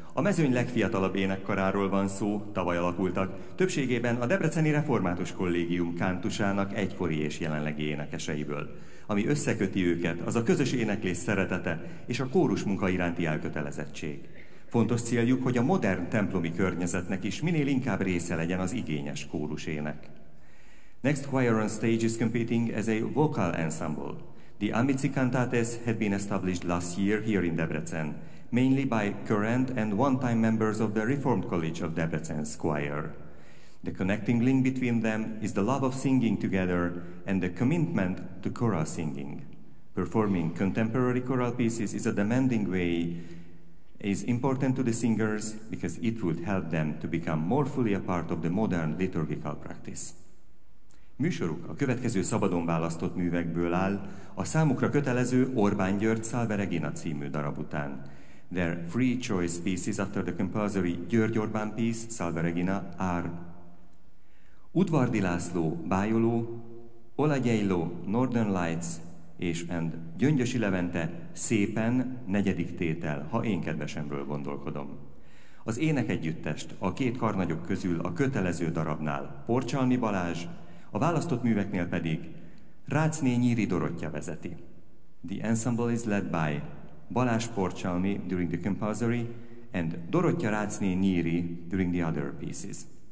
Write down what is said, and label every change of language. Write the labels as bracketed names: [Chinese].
[Hungarian] A mezőny legfiatalabb énekkaráról van szó, tavaly alakultak, többségében a debreceni református kollégium kántusának egykori és jelenlegi énekeseiből. Ami összeköti őket, az a közös éneklés szeretete és a kórus munka iránti elkötelezettség. Fontos céljuk, hogy a modern templomi környezetnek is minél inkább része legyen az igényes kórusének. [English] Next choir on stage is competing as a vocal ensemble. The Amici Cantates had been established last year here in Debrecen, mainly by current and one-time members of the Reformed College of Debrecen's choir. The connecting link between them is the love of singing together and the commitment to choral singing. Performing contemporary choral pieces is a demanding way, is important to the singers because it would help them to become more fully a part of the modern liturgical practice. [Hungarian] Műsoruk a következő szabadon választott művekből áll, a számukra kötelező Orbán György Salve Regina című darab után. [English] Their free choice pieces after the compulsory György Orbán piece, Salve Regina, are Udvardi László, Bájoló, Ola Gyejló, Northern Lights, és and Gyöngyösi Levente, Szépen, [Hungarian] negyedik tétel, ha én kedvesemről gondolkodom. Az énekegyüttest a két karnagyok közül a kötelező darabnál Porcsalmi Balázs, a választott műveknél pedig Rácné Nyíri Dorottya vezeti. [English] The ensemble is led by Balázs Porcsalmi during the compulsory and Dorottya Rácné Nyíri during the other pieces.